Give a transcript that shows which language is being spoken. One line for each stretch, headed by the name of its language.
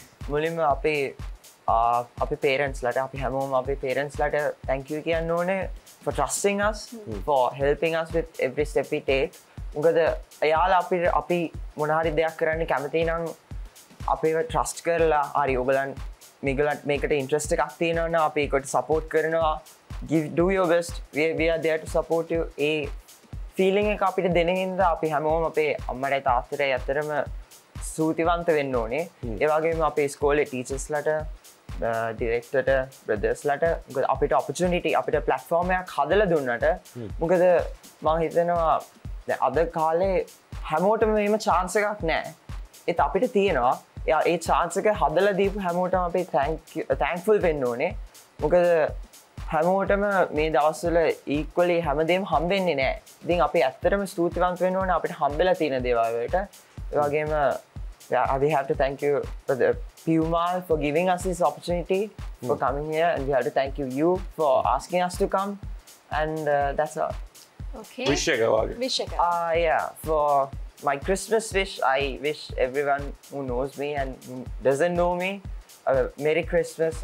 Sinhala: මුලින්ම අපි පේරන්ට්ස්ලාට අපි හැමෝම අපි පේරන්ට්ස්ලාට
English: thank you
Sinhala: කියන්න ඕනේ
English: for trusting us, for helping us with every step we take.
Sinhala: මොකද එයාලා අපි මොන හරි දෙයක් කරන්න කැමති නම් අපේව ට්‍රස්ට් කරලා හරි ඔයගලන් මේගලන් මේකට ඉන්ට්‍රස්ට් එකක් තියෙනවා නම් අපි ඒකට සපෝට් කරනවා.
English: do your best, we are there to support you.
Sinhala: A feeling එක අපිට දෙන හින්දා අපි හැමෝම අපේ අම්මටයි තාත්තටයි අතරම ස්තුතිවන්ත වෙන්න ඕනේ. ඒ වගේම අපේ ස්කෝලේ ටීචර්ස්ලාට ඩිරෙක්ටර්ට බ්‍රදර්ස්ලාට අපිට ඔපචුනිටි අපිට ප්ලැට්ෆෝම් එකක් හදලා දුන්නට මොකද මම හිතනවා අද කාලේ හැමෝටම මේම චාන්ස් එකක් නෑ. ඒත් අපිට තියෙනවා. එයා ඒ චාන්ස් එක හදලා දීපු හැමෝටම අපි තැන්ක්ෆුල් වෙන්න ඕනේ. මොකද හැමෝටම මේ දවස්වල ඈක්වලි හැමදේම හම්බෙන්නේ නෑ. ඉතින් අපි ඇත්තටම ස්තුතිවන්ත වෙන්න ඕනේ අපිට හම්බෙලා තියෙන දේවල් වලට. ඒ වගේම
English: we have to thank you for the Pumal for giving us this opportunity for coming here and we have to thank you for asking us to come and that's all. Okay.
Sinhala: Wish ekak.
English: Yeah, for my Christmas wish, I wish everyone who knows me and doesn't know me a Merry Christmas.